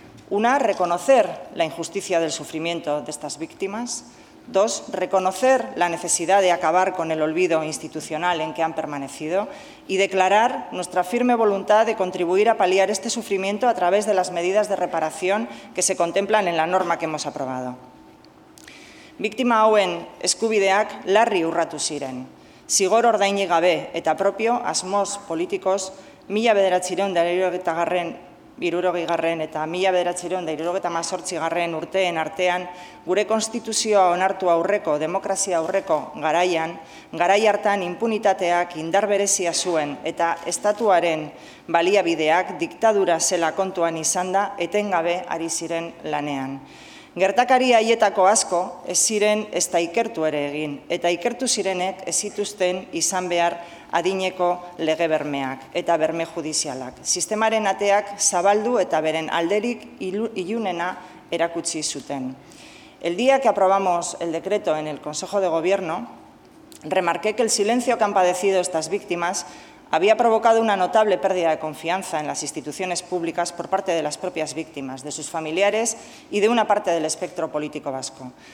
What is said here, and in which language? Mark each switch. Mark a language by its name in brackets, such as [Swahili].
[Spanish] Una, reconocer la injusticia del sufrimiento de estas víctimas. Dos, reconocer la necesidad de acabar con el olvido institucional en que han permanecido y declarar nuestra firme voluntad de contribuir a paliar este sufrimiento a través de las medidas de reparación que se contemplan en la norma que hemos aprobado. [Basque] Biktima hauen eskubideak larri urratu ziren. Zigor ordainik gabe eta propio asmoz politikoz 1970-1978 urteen artean, gure konstituzioa onartu aurreko, demokrazia aurreko garaian, garai hartan impunitateak indar berezia zuen eta estatuaren baliabideak diktadura zela kontuan izanda etengabe ari ziren lanean. Gertakari haietako asko ez ziren ez da ikertu ere egin, eta ikertu zirenek ez zituzten izan behar adineko lege bermeak eta berme judizialak. Sistemaren ateak zabaldu eta beren alderik ilunena erakutsi zuten. [Spanish] El día que aprobamos el decreto en el Consejo de Gobierno, remarqué que el silencio que han padecido estas víctimas había provocado una notable pérdida de confianza en las instituciones públicas por parte de las propias víctimas, de sus familiares y de una parte del espectro político vasco.